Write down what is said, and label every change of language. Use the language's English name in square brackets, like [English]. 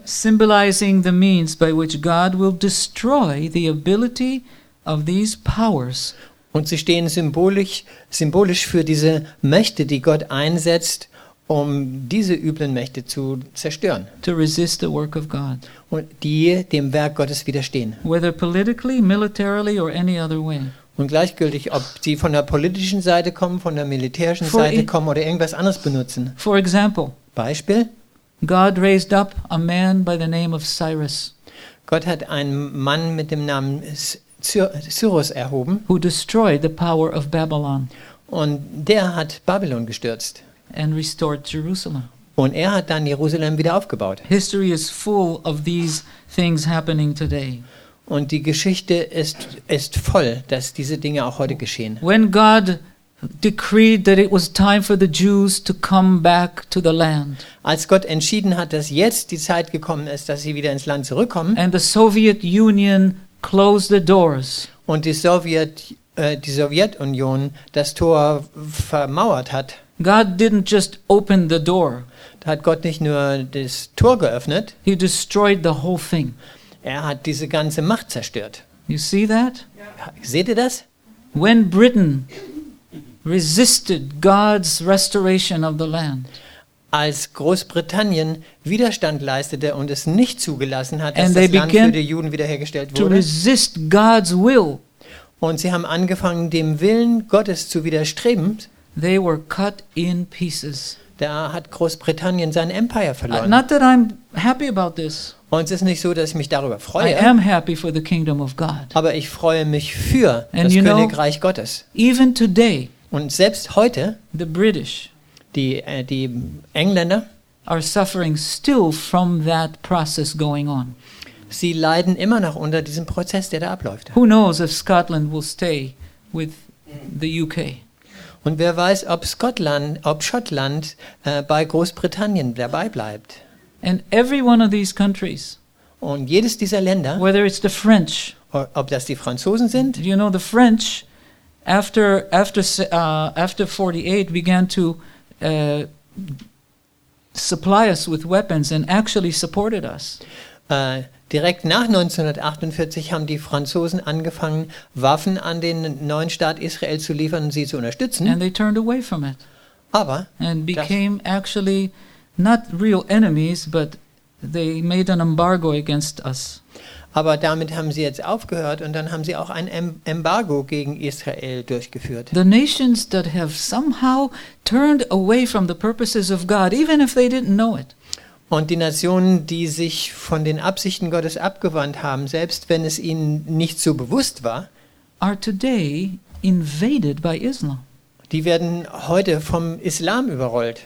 [English] Symbolizing the means by which God will destroy the ability of these powers. [German] Und sie stehen symbolisch für diese Mächte, die Gott einsetzt, um diese üblen Mächte zu zerstören. [English] To resist the work of God. [German] Und die dem Werk Gottes widerstehen. [English] Whether politically, militarily or any other way. [German] Und gleichgültig, ob sie von der politischen Seite kommen, von der militärischen Seite kommen oder irgendwas anderes benutzen. [English] For example, [German] Beispiel. [English] God raised up a man by the name of Cyrus. [German] Gott hat einen Mann mit dem Namen Cyrus erhoben. [English] Who destroyed the power of Babylon. [German] Und der hat Babylon gestürzt. [English] And restored Jerusalem. [German] Und er hat dann Jerusalem wieder aufgebaut. [English] History is full of these things happening today. [German] Und die Geschichte ist voll, dass diese Dinge auch heute geschehen. [English] When God decreed that it was time for the Jews to come back to the land. [German] Als Gott entschieden hat, dass jetzt die Zeit gekommen ist, dass sie wieder ins Land zurückkommen. [English] And the Soviet Union closed the doors. [German] Und die Sowjetunion das Tor vermauert hat. [English] God didn't just open the door. [German] Da hat Gott nicht nur das Tor geöffnet. [English] He destroyed the whole thing. [German] Er hat diese ganze Macht zerstört. [English] You see that? [German] Seht ihr das? [English] When Britain resisted God's restoration of the land. [German] Als Großbritannien Widerstand leistete und es nicht zugelassen hat, dass das Land für die Juden wiederhergestellt wurde. [English] To resist God's will. [German] Und sie haben angefangen, dem Willen Gottes zu widerstreben. [English] They were cut in pieces. [German] Da hat Großbritannien sein Empire verloren. [English] Not that I'm happy about this. [German] Und es ist nicht so, dass ich mich darüber freue. [English] I am happy for the kingdom of God. [German] Aber ich freue mich für [English] and [German] das Königreich Gottes. [English] Even today, [German] und selbst heute, [English] the British, [German] die Engländer, [English] are suffering still from that process going on. [German] Sie leiden immer noch unter diesem Prozess, der da abläuft. [English] Who knows if Scotland will stay with the UK? [German] Und wer weiß, ob Schottland bei Großbritannien dabei bleibt. [English] And every one of these countries, [German] und jedes dieser Länder, [English] whether it's the French, [German] ob das die Franzosen sind, [English] you know, the French, after 48 began to supply us with weapons and actually supported us. [German] Direkt nach 1948 haben die Franzosen angefangen, Waffen an den neuen Staat Israel zu liefern und sie zu unterstützen. [English] And they turned away from it. [German] Aber [English] and became actually not real enemies, but they made an embargo against us. [German] Aber damit haben sie jetzt aufgehört und dann haben sie auch ein Embargo gegen Israel durchgeführt. [English] The nations that have somehow turned away from the purposes of God, even if they didn't know it. [German] Und die Nationen, die sich von den Absichten Gottes abgewandt haben, selbst wenn es ihnen nicht so bewusst war, [English] are today invaded by Islam. [German] Die werden heute vom Islam überrollt.